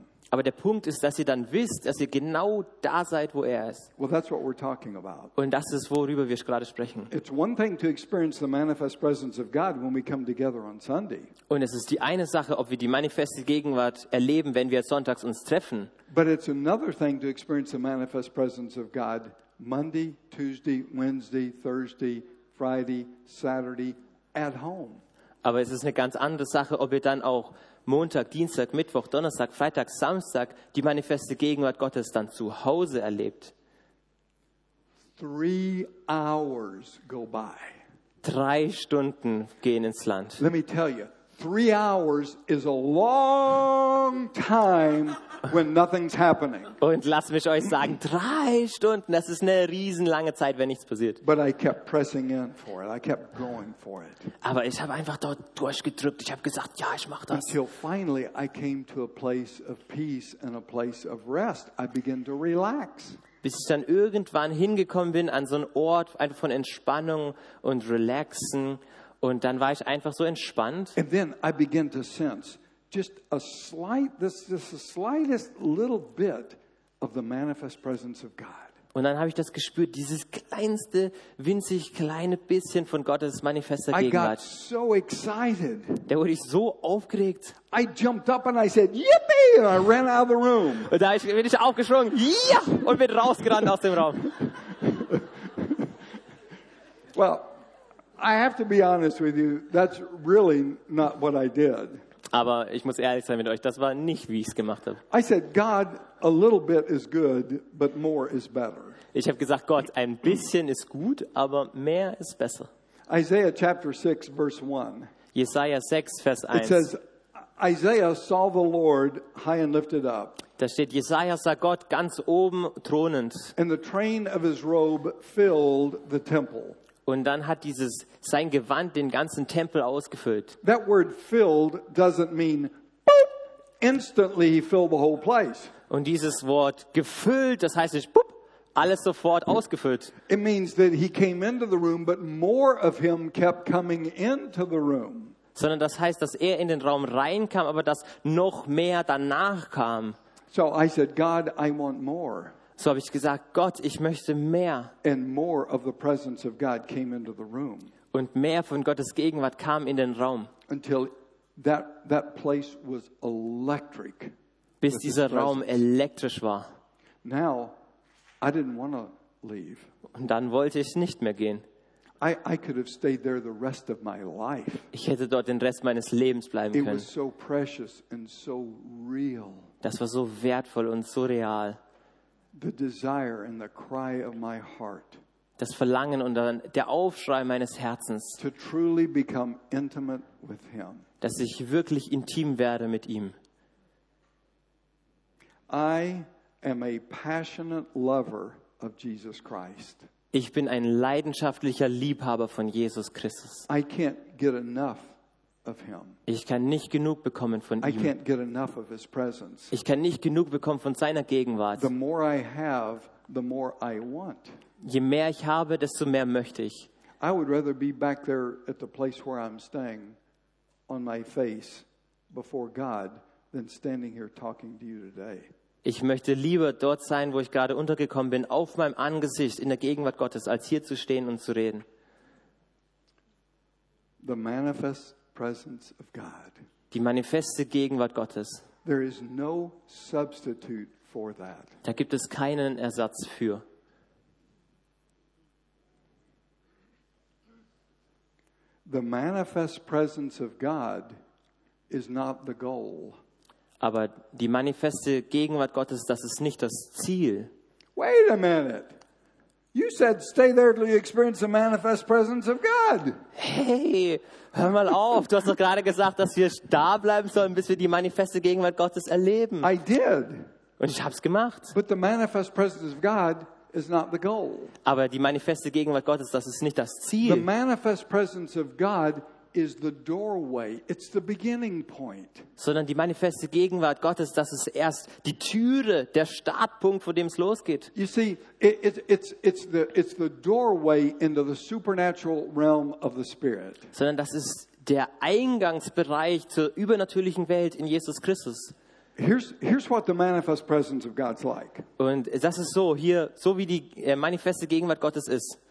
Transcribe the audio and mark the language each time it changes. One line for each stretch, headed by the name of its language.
German: Aber der Punkt ist, dass ihr dann wisst, dass ihr genau da seid, wo er ist.
English: Well, that's what we're talking about.
German: Und das ist, worüber wir gerade sprechen.
English: It's one thing to experience the manifest presence of God when we come together on Sunday.
German: Und es ist die eine Sache, ob wir die manifeste Gegenwart erleben, wenn wir sonntags uns treffen.
English: But it's another thing to experience the manifest presence of God Monday, Tuesday, Wednesday, Thursday, Friday, Saturday at home.
German: Aber es ist eine ganz andere Sache, ob ihr dann auch Montag, Dienstag, Mittwoch, Donnerstag, Freitag, Samstag die manifeste Gegenwart Gottes dann zu Hause erlebt.
English: 3 hours go by.
German: 3 Stunden gehen ins Land.
English: Let me tell you, 3 hours is a long time when nothing's happening.
German: Und lasst mich euch sagen, 3 Stunden, das ist eine riesenlange Zeit, wenn nichts passiert.
English: But I kept pressing in for it. I kept going for it.
German: Aber ich habe einfach dort durchgedrückt. Ich habe gesagt, ja, ich mache das.
English: Until finally I came to a place of peace and a place of rest. I began to relax.
German: Bis ich dann irgendwann hingekommen bin an so einen Ort einfach von Entspannung und Relaxen. Und dann war ich einfach so entspannt.
English: And then I began to sense just a slight, just the slightest little bit of the manifest presence of God.
German: Und dann habe ich das gespürt, dieses kleinste, winzig kleine bisschen von Gottes manifester Gegenwart.
English: I got so excited.
German: Da wurde ich so aufgeregt.
English: I jumped up and I said, "Yippee!" And I ran out of the room.
German: Und da bin ich aufgesprungen, ja, und bin rausgerannt aus dem Raum.
English: Well, I have to be honest with you, that's really not what I did.
German: Aber ich muss ehrlich sein mit euch, das war nicht, wie ich es gemacht habe.
English: I said, God, a little bit is good, but more is better.
German: Ich habe gesagt, Gott, ein bisschen ist gut, aber mehr ist besser.
English: Isaiah chapter 6, verse 1.
German: Jesaja 6, Vers 1.
English: It says, Isaiah saw the Lord high and lifted up.
German: Da steht, Jesaja sah Gott ganz oben thronend.
English: And the train of his robe filled the temple.
German: Und dann hat dieses sein Gewand den ganzen Tempel ausgefüllt.
English: That word filled doesn't mean boop, instantly he filled the whole place.
German: Und dieses Wort gefüllt, das heißt nicht boop, alles sofort ausgefüllt.
English: It means that he came into the room, but more of him kept coming into the room.
German: Sondern das heißt, dass er in den Raum reinkam, aber dass noch mehr danach kam.
English: So I said, God, I want more.
German: So habe ich gesagt, Gott, ich möchte mehr.
English: And more of the presence of God came into the room.
German: Und mehr von Gottes Gegenwart kam in den Raum.
English: Until that place was electric.
German: Bis dieser Raum elektrisch war.
English: Now, I didn't want to leave.
German: Und dann wollte ich nicht mehr gehen.
English: I could have stayed there the rest of my life.
German: Ich hätte dort den Rest meines Lebens bleiben
English: It
German: können.
English: It was so precious and so real.
German: Das war so wertvoll und so real.
English: The desire and the cry of my heart.
German: Das Verlangen und der Aufschrei meines Herzens.
English: To truly become intimate with him.
German: Dass ich wirklich intim werde mit ihm.
English: I am a passionate lover of Jesus Christ.
German: Ich bin ein leidenschaftlicher Liebhaber von Jesus Christus.
English: I can't get enough of him.
German: Ich kann nicht genug bekommen von ihm.
English: I can't get enough of his presence.
German: Ich kann nicht genug bekommen von seiner Gegenwart.
English: The more I have, the more I want.
German: Je mehr ich habe, desto mehr möchte ich.
English: I would rather be back there at the place where I'm staying on my face before God than standing here talking to you today.
German: Ich möchte lieber dort sein, wo ich gerade untergekommen bin, auf meinem Angesicht in der Gegenwart Gottes, als hier zu stehen und zu reden.
English: The manifest presence of God.
German: Die manifeste Gegenwart Gottes.
English: There is no substitute for that.
German: Da gibt es keinen Ersatz für.
English: The manifest presence of God is not the goal.
German: Aber die manifeste Gegenwart Gottes, das ist nicht das Ziel.
English: Wait a minute. You said stay there till you experience the manifest presence of God.
German: Hey, hör mal auf. Du hast doch gerade gesagt, dass wir da bleiben sollen, bis wir die manifeste Gegenwart Gottes erleben.
English: I did.
German: Und ich hab's gemacht.
English: But the manifest presence of God is not the goal.
German: Aber die manifeste Gegenwart Gottes, das ist nicht das Ziel.
English: The manifest presence of God is the doorway. It's the beginning point.
German: Sondern die manifeste Gegenwart Gottes, das ist erst die Türe, der Startpunkt, vor dem es losgeht.
English: You see, it's the doorway into the supernatural realm of the Spirit.
German: Sondern das ist der Eingangsbereich zur übernatürlichen Welt in Jesus Christus.
English: Here's what the manifest presence of God's like.
German: Und das ist so hier, so wie die manifeste Gegenwart Gottes ist.